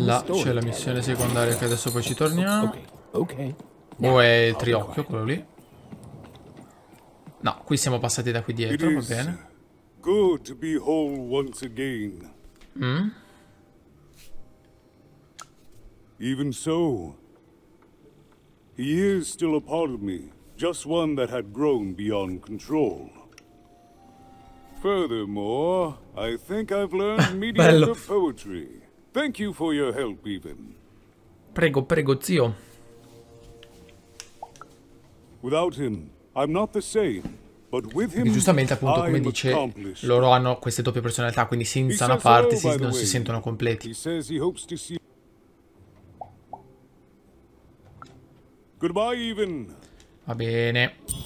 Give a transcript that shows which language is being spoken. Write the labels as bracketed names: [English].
[Italian] Là c'è la missione secondaria che adesso poi ci torniamo. Okay. O è il triocchio quello lì? No, qui siamo passati da qui dietro, va bene. [English] Good to be whole once again. Mm? Even so, he is still a part of me, just one that had grown beyond control. Furthermore, I think I've learned mediocre poetry. Thank you for your help, even. [Italian] Prego, prego, zio. [English] Without him, I'm not the same. But with him, [Italian] giustamente, appunto, come dice, loro hanno queste doppie personalità, quindi senza una parte non si sentono completi. [English] He says he hopes to see... Goodbye, even. [Italian] Va bene.